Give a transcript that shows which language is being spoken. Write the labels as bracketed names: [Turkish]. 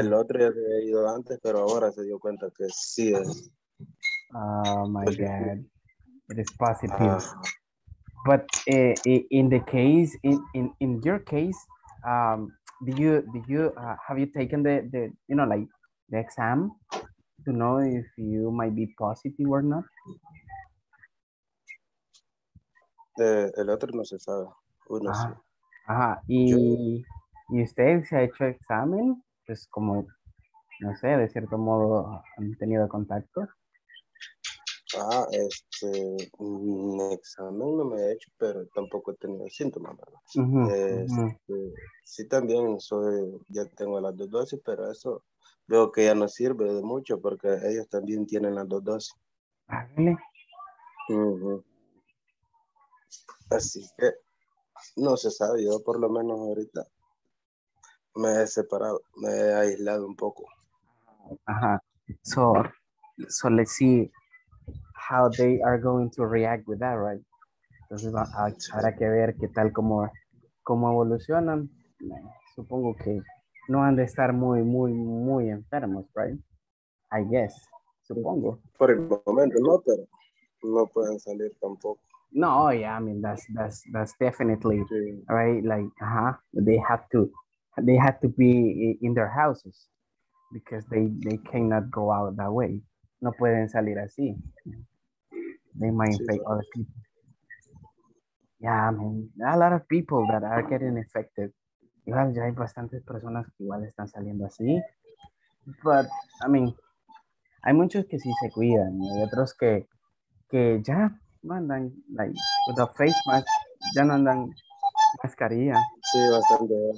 [Spanish] El otro ya se había ido antes, pero ahora se dio cuenta que sí es. [English] Oh, my God. It is positive. But in the case, in your case, have you taken the you know, like, the exam to know if you might be positive or not? [Spanish] El otro no se sabe. Uno ajá. Sí. Ajá. ¿Y usted se ha hecho examen? Pues como, no sé, de cierto modo, ¿han tenido contacto? Ah, un examen no me he hecho, pero tampoco he tenido síntomas, ¿verdad? Uh-huh, Sí, también ya tengo las dos dosis, pero eso veo que ya no sirve de mucho porque ellos también tienen las dos dosis. Ah, ¿vale? Uh-huh. Así que no se sabe, yo por lo menos ahorita me he separado, me he aislado un poco. Ajá. [English] So let's see how they are going to react with that, right? [Spanish] Entonces habrá que ver qué tal, cómo evolucionan. Supongo que no han de estar muy, muy, muy enfermos, right? [English] I guess, supongo. [Spanish] Por el momento no, pero no pueden salir tampoco. [English] No, yeah, I mean that's definitely sí. Right. Like, they have to be in their houses because they cannot go out that way. [Spanish] No pueden salir así. [English] They might infect other people. Yeah, I mean, a lot of people that are getting infected. [Spanish] Igual ya hay bastantes personas que igual están saliendo así. [English] But I mean, [Spanish] hay muchos que sí se cuidan y hay otros que ya. Mandan, [English] like, with a face mask, [Spanish] ya no andan mascarilla. Sí, bastante.